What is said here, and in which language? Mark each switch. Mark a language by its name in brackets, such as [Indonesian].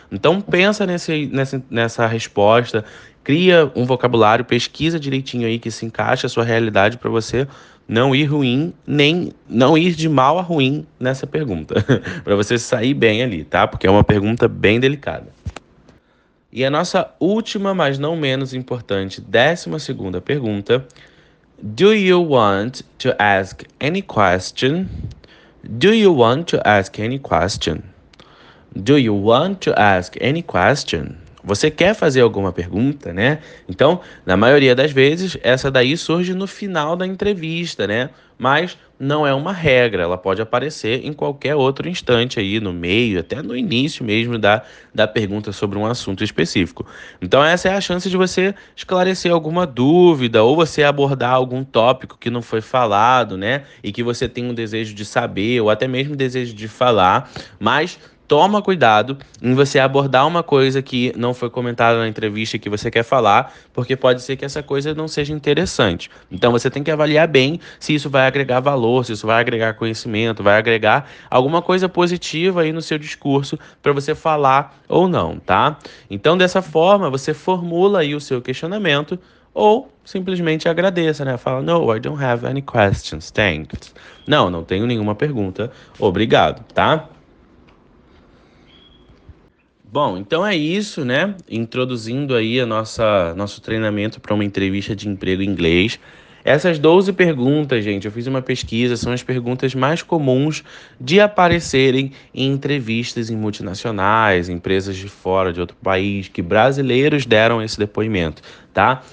[Portuguese] Então, pensa nessa resposta. Cria um vocabulário, pesquisa direitinho aí que se encaixa a sua realidade para você não ir ruim, nem não ir de mal a ruim nessa pergunta. Para você sair bem ali, tá? Porque é uma pergunta bem delicada. E a nossa última, mas não menos importante, 12ª pergunta: [English] Do you want to ask any question? Do you want to ask any question? Do you want to ask any question? [Portuguese] Você quer fazer alguma pergunta, né? Então, na maioria das vezes, essa daí surge no final da entrevista, né? Mas não é uma regra, ela pode aparecer em qualquer outro instante aí, no meio, até no início mesmo da pergunta sobre um assunto específico. Então, essa é a chance de você esclarecer alguma dúvida ou você abordar algum tópico que não foi falado, né? E que você tem um desejo de saber ou até mesmo desejo de falar, mas toma cuidado em você abordar uma coisa que não foi comentada na entrevista e que você quer falar, porque pode ser que essa coisa não seja interessante. Então você tem que avaliar bem se isso vai agregar valor, se isso vai agregar conhecimento, vai agregar alguma coisa positiva aí no seu discurso para você falar ou não, tá? Então dessa forma você formula aí o seu questionamento ou simplesmente agradeça, né? Fala, [English] no, I don't have any questions, thanks. [Portuguese] Não tenho nenhuma pergunta, obrigado, tá? Bom, então é isso, né? Introduzindo aí a nosso treinamento para uma entrevista de emprego em inglês. Essas 12 perguntas, gente, eu fiz uma pesquisa, são as perguntas mais comuns de aparecerem em entrevistas em multinacionais, empresas de fora, de outro país, que brasileiros deram esse depoimento, tá?